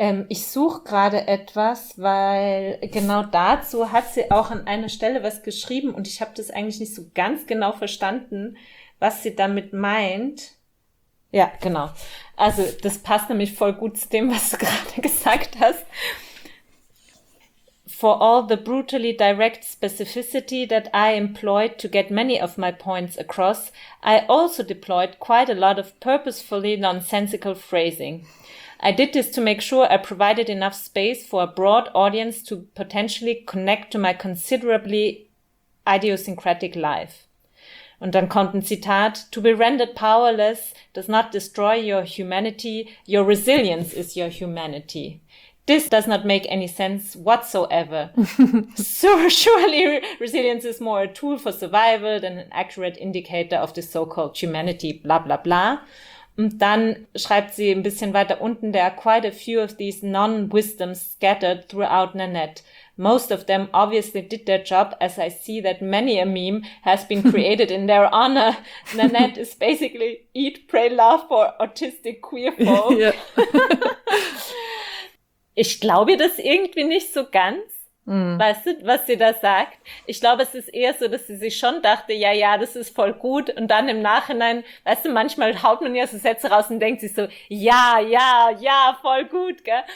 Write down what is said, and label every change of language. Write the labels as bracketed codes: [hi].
[de] Ich suche gerade etwas, weil genau dazu hat sie auch an einer Stelle was geschrieben und ich habe das eigentlich nicht so ganz genau verstanden, was sie damit meint. Ja, genau. Also das passt nämlich voll gut zu dem, was du gerade gesagt hast. [en] For all the brutally direct specificity that I employed to get many of my points across, I also deployed quite a lot of purposefully nonsensical phrasing. I did this to make sure I provided enough space for a broad audience to potentially connect to my considerably idiosyncratic life. [de] Und dann kommt ein Zitat, [en] to be rendered powerless does not destroy your humanity, your resilience is your humanity. This does not make any sense whatsoever. So surely resilience is more a tool for survival than an accurate indicator of the so-called humanity, bla bla bla. [de] Und dann schreibt sie ein bisschen weiter unten, [en] there are quite a few of these non-wisdoms scattered throughout Nanette. Most of them obviously did their job, as I see that many a meme has been created in their honor. Nanette is basically eat, pray, love for autistic queer folk. [de] Ich glaube das irgendwie nicht so ganz, weißt du, was sie da sagt. Ich glaube, es ist eher so, dass sie sich schon dachte, ja, das ist voll gut. Und dann im Nachhinein, weißt du, manchmal haut man ja so Sätze raus und denkt sich so, ja, voll gut, gell?